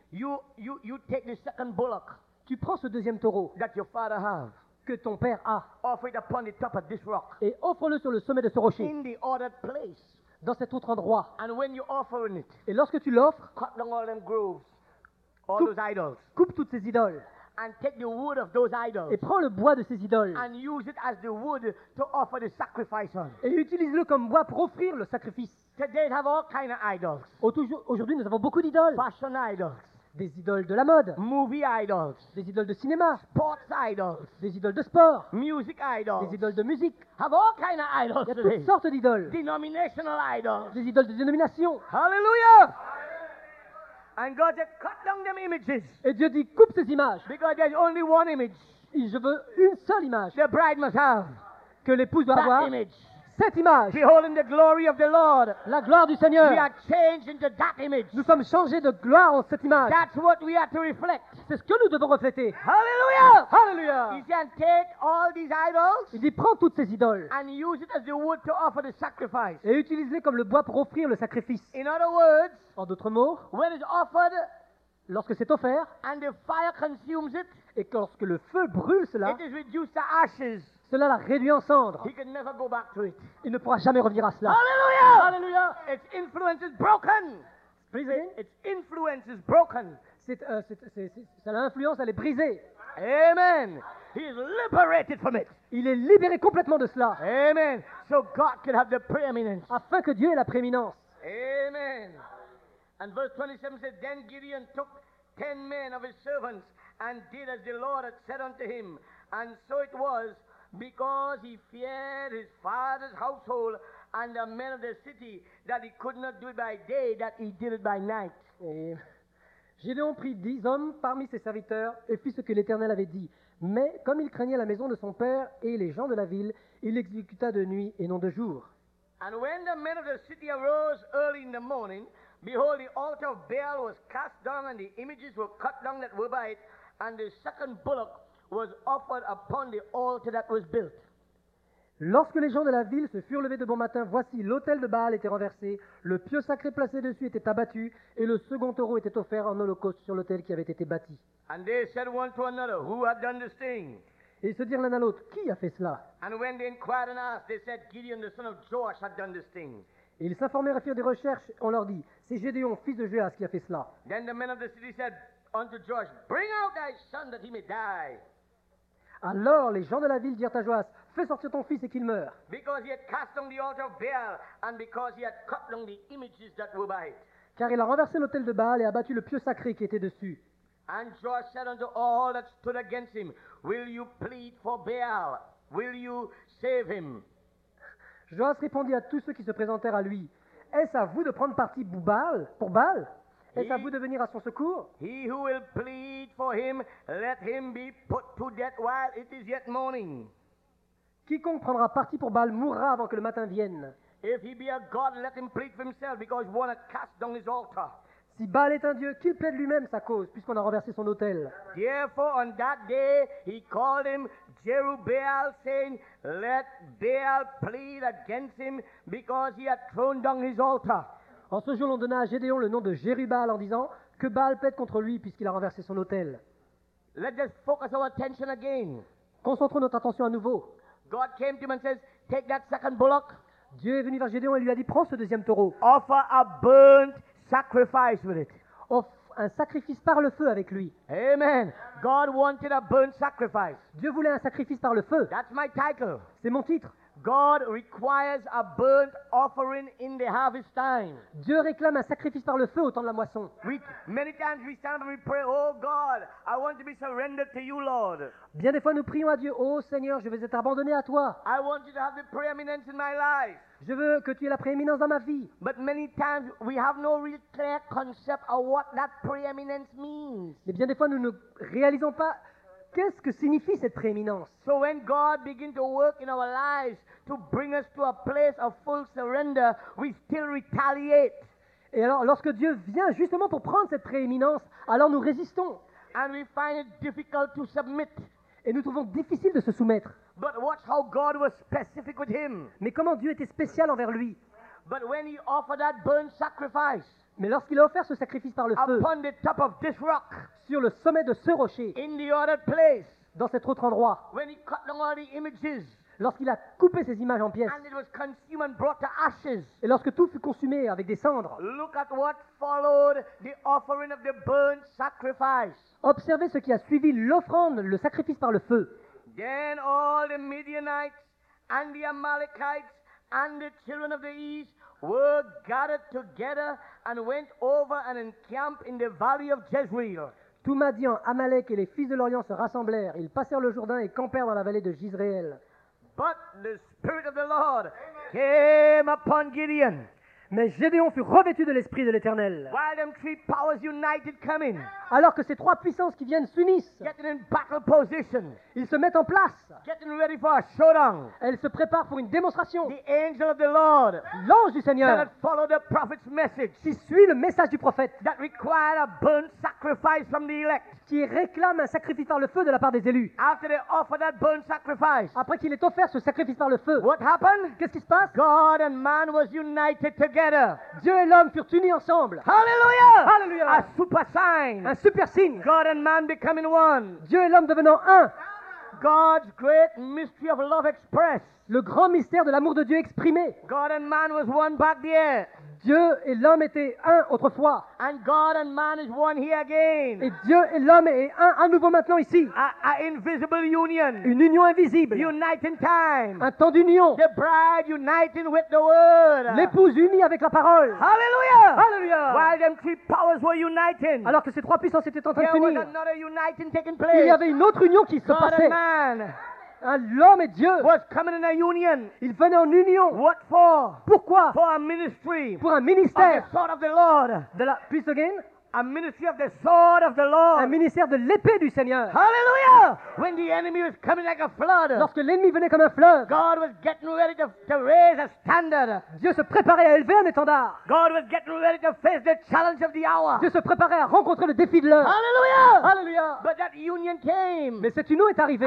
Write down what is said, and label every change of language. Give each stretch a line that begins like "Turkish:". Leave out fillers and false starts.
English: you take the second bullock.
French: Tu prends ce deuxième taureau.
English: That your father have.
French: Que ton père a.
English: Offer it upon the top of this rock.
French: Et offre-le sur le sommet de ce rocher.
English: In the ordered place.
French: Dans cet autre endroit.
English: And when you're offering it.
French: Et lorsque tu l'offres.
English: Cut down all them groves. All those idols.
French: Coupe toutes ces idoles.
English: And take the wood of those idols.
French: Et prends le bois de ces idoles.
English: And use it as the wood to offer the sacrifice on.
French: Et utilise-le comme bois pour offrir le sacrifice.
English: Today we have all kind of idols.
French: Aujourd'hui nous avons beaucoup d'idoles.
English: Fashion idols.
French: Des idoles de la mode.
English: Movie idols.
French: Des idoles de cinéma.
English: Sports idols.
French: Des idoles de sport.
English: Music idols.
French: Des idoles de musique.
English: Have all kind of idols.
French: Il y a toutes sortes d'idoles.
English: Denominational idols.
French: Des idoles de dénomination.
English: Hallelujah. And God said, cut down them images.
French: Et Dieu dit, coupe ces images.
English: Because there's only one image.
French: Et je veux une seule image.
English: The bride must have.
French: Que l'épouse doit
English: that
French: avoir.
English: Image.
French: Cette image.
English: Beholding the glory of the Lord.
French: La gloire du Seigneur.
English: We are changed into that image.
French: Nous sommes changés de gloire en cette image.
English: That's what we are to reflect.
French: C'est ce que nous devons refléter.
English: Hallelujah.
French: Hallelujah.
English: He can take all these idols.
French: Il dit, prends toutes ces idoles.
English: And use it as the wood to offer the sacrifice.
French: Et utilise-les comme le bois pour offrir le sacrifice.
English: In other words.
French: En d'autres mots,
English: when it's offered,
French: lorsque c'est offert,
English: and the fire consumes it,
French: et que lorsque le feu brûle cela,
English: it is reduced to ashes.
French: Cela l'a réduit en cendres.
English: He can never go back to it.
French: Il ne pourra jamais revenir à cela. Alléluia! Alléluia!
English: Its influence is broken.
French: Brisé.
English: Its influence is broken.
French: C'est, l'influence, elle est brisée.
English: Amen. He's liberated from it.
French: Il est libéré complètement de cela.
English: Amen. So God can have the preeminence.
French: Afin que Dieu ait la prééminence.
English: Amen. And verse 27 says, then Gideon took 10 men of his servants and did as the Lord had said unto him. And so it was, because he feared his father's household and the men of the city, that he could not do it by day, that he did it by night.
French: Gideon prit 10 hommes parmi ses serviteurs et fit ce que l'Éternel avait dit. Mais comme il craignait la maison de son père et les gens de la ville, il l'exécuta de nuit et non de jour.
English: And when the men of the city arose early in the morning, behold, the altar of Baal was cast down, and the images were cut down that were by it, and the second bullock was offered upon the altar that was built.
French: Lorsque les gens de la ville se furent levés de bon matin, voici, l'autel de Baal était renversé, le pieu sacré placé dessus était abattu, et le second taureau était offert en holocauste sur l'autel qui avait été bâti.
English: And they said one to another, who had done this thing?
French: Et ils se dirent l'un à l'autre, qui a fait cela?
English: And when they inquired and asked, they said, Gideon, the son of Joash, had done this thing.
French: Et ils s'informèrent et firent des recherches, on leur dit, c'est Gédéon, fils de Joash, qui a fait cela.
English: Then the men of the city said unto Joash, bring out thy son that he may die.
French: Alors les gens de la ville dirent à Joas, fais sortir ton fils et qu'il meure.
English: Because he had cast down the altar of Baal and because he had cut down the images that were by it.
French: Car il a renversé l'autel de Baal et a battu le pieu sacré qui était dessus.
English: And Joas said unto all that stood against him, will you plead for Baal? Will you save him?
French: Joas répondit à tous ceux qui se présentèrent à lui, est-ce à vous de prendre parti pour Baal? Est-ce à vous de venir à son secours?
English: He who will plead for him, let him be put to death while it is yet morning.
French: Quiconque prendra parti pour Baal mourra avant que le matin vienne.
English: If he be a god, let him plead for himself, because he wanna cast down his altar.
French: Si Baal est un dieu, qu'il plaide lui-même sa cause, puisqu'on a renversé son autel.
English: Therefore, on that day, he called him Jerubbaal, saying, let Baal plead against him, because he had thrown down his altar.
French: En ce jour, l'on donna à Gédéon le nom de Jérubbaal en disant que Baal plaide contre lui puisqu'il a renversé son autel.
English: Let us focus our attention again.
French: Concentrons notre attention à nouveau.
English: God came to him and says, take that second bullock.
French: Dieu est venu vers Gédéon et lui a dit, prends ce deuxième taureau.
English: Offer a burnt sacrifice with it.
French: Offre un sacrifice par le feu avec lui.
English: Amen. God wanted a burnt sacrifice.
French: Dieu voulait un sacrifice par le feu.
English: That's my title.
French: C'est mon titre.
English: God requires a burnt offering in the harvest time.
French: Dieu réclame un sacrifice par le feu au temps de la moisson.
English: Many times we stand and we pray, oh God, I want to be surrendered to you, Lord.
French: Bien des fois nous prions à Dieu, oh Seigneur, je veux être abandonné à toi.
English: I want you to have the preeminence in my life.
French: Je veux que tu aies la prééminence dans ma vie.
English: But many times we have no real clear concept of what that preeminence means.
French: Mais bien des fois nous ne réalisons pas. Qu'est-ce que signifie cette prééminence?
English: So when God begins to work in our lives to bring us to a place of full surrender, we still retaliate.
French: Et alors, lorsque Dieu vient justement pour prendre cette prééminence, alors nous résistons.
English: And we find it difficult to submit.
French: Et nous trouvons difficile de se soumettre.
English: But watch how God was specific with him.
French: Mais comment Dieu était spécial envers lui?
English: But when he offered that burnt sacrifice.
French: Mais lorsqu'il a offert ce sacrifice par le feu,
English: upon the top of this rock,
French: sur le sommet de ce rocher,
English: in the other place,
French: dans cet autre endroit,
English: when he cut down all the images,
French: lorsqu'il a coupé ces images en pièces,
English: and it was consumed and brought to ashes,
French: et lorsque tout fut consumé avec des cendres,
English: look at what followed the offering of the burnt sacrifice.
French: Observez ce qui a suivi l'offrande, le sacrifice par le feu.
English: Then all the Midianites and the Amalekites and the children of the east were gathered together and went over and encamped in the valley of Jezreel.
French: Tout Madian, Amalek et les fils de l'Orient se rassemblèrent. Ils passèrent le Jourdain et campèrent dans la vallée de Jizréel.
English: But the Spirit of the Lord came upon Gideon.
French: Mais Gédéon fut revêtu de l'Esprit de l'Éternel.
English: While them three powers united come in.
French: Alors que ces trois puissances qui viennent s'unissent,
English: getting in battle position.
French: Ils se mettent en place,
English: getting ready for a showdown.
French: Elles se préparent pour une démonstration.
English: The angel of the Lord,
French: l'ange du Seigneur,
English: that followed the prophet's message,
French: qui suit le message du prophète,
English: that required a burnt sacrifice from the elect,
French: qui réclame un sacrifice par le feu de la part des élus.
English: After they offer that burnt sacrifice,
French: après qu'il ait offert ce sacrifice par le feu,
English: what happened?
French: Qu'est-ce qui se passe?
English: God and man was united together.
French: Dieu et l'homme furent unis ensemble.
English: Hallelujah!
French: Hallelujah!
English: A super sign.
French: Un super signe.
English: God and man becoming one.
French: Dieu et l'homme devenant un.
English: God's great mystery of love expressed.
French: Le grand mystère de l'amour de Dieu exprimé.
English: God and man was one back there.
French: Dieu et l'homme étaient un autrefois.
English: And God and man is one here again.
French: Et Dieu et l'homme est un à nouveau maintenant ici.
English: A invisible union.
French: Une union invisible.
English: Uniting time.
French: Un temps d'union.
English: The bride uniting with the word.
French: L'épouse unie avec la parole.
English: Hallelujah.
French: Hallelujah.
English: While them three powers were uniting.
French: Alors que ces trois puissances étaient en train de s'unir.
English: There was another uniting taking place.
French: Il y avait une autre union qui se passait.
English: God and man.
French: L'homme et Dieu
English: was coming in a union.
French: Il venait en union.
English: What for?
French: Pourquoi?
English: For a ministry.
French: Pour un ministère.
English: Of the sword of the Lord.
French: De la
English: peace again. A ministry of the sword of the Lord.
French: Un ministère de l'épée du Seigneur.
English: Hallelujah! When the enemy was coming like a flood.
French: Lorsque l'ennemi venait comme un fleuve.
English: God was getting ready to raise a standard.
French: Dieu se préparait à élever un étendard.
English: God was getting ready to face the challenge of the hour.
French: Dieu se préparait à rencontrer le défi de l'heure.
English: Hallelujah!
French: Hallelujah!
English: But that union came.
French: Mais cette union est arrivée.